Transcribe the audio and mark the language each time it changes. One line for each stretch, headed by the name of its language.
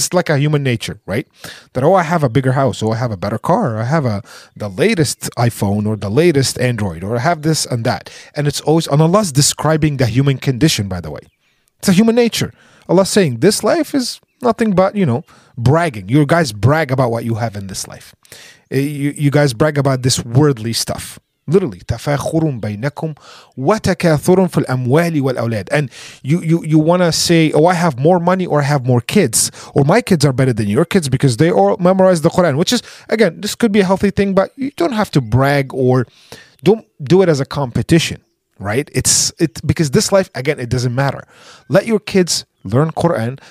English: It's like a human nature, right? That, oh, I have a bigger house, or I have a better car, or I have the latest iPhone or the latest Android, or I have this and that. And it's always... And Allah's describing the human condition, by the way. It's a human nature. Allah saying, this life is nothing but, you know, bragging. You guys brag about what you have in this life. You guys brag about this worldly stuff. Literally,
Arabic: تَفَاخُرٌ بَيْنَكُمْ وَتَكَاثُرٌ فِي الْأَمْوَالِ وَالْأَوْلَادِ.
English: And you want to say, oh, I have more money, or I have more kids, or my kids are better than your kids because they all memorize the Quran, which is, again, this could be a healthy thing, but you don't have to brag, or don't do it as a competition. Right? It's because this life, again, it doesn't matter. Let your kids learn Quran.